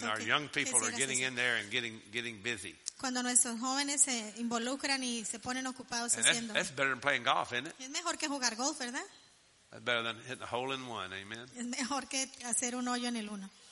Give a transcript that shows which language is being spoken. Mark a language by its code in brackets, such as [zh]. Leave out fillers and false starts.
[en] When our young people are getting in there and getting busy. [es] Cuando nuestros jóvenes se involucran y se ponen ocupados haciendo. [en] That's better than playing golf, isn't it? [es] Es mejor que jugar golf, ¿verdad? [en] Better than hitting a hole in one, amen. [es] Es mejor que hacer un hoyo en el uno.